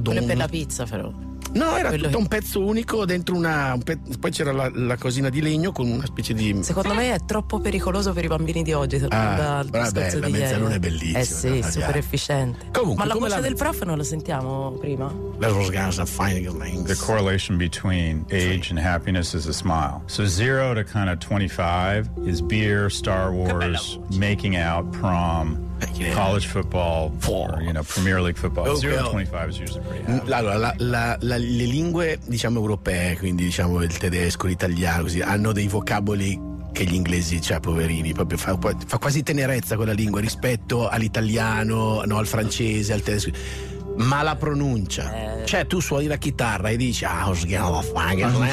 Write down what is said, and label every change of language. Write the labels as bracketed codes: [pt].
[it] Quella per la pizza, però. No, era quello tutto che... un pezzo unico dentro una. Poi c'era la cosina di legno con una specie di. Secondo me è troppo pericoloso per i bambini di oggi. La mezzaluna è bellissima. Sì, super efficiente. Comunque, ma la voce del prof non la sentiamo prima? [en] The correlation between age and happiness is a smile. So zero to kind of 25 is beer, Star Wars, making out, prom. Yeah. College football, or, you know, Premier League football. Okay. 0-25 is usually pretty high. [it] Le lingue, diciamo, europee, quindi diciamo il tedesco, l'italiano, così, hanno dei vocaboli che gli inglesi, cioè poverini, proprio fa quasi tenerezza quella lingua rispetto all'italiano, no, al francese, al tedesco. ma la pronuncia. Cioè, tu suoni la chitarra e dici, ah, ho sghiato la faga.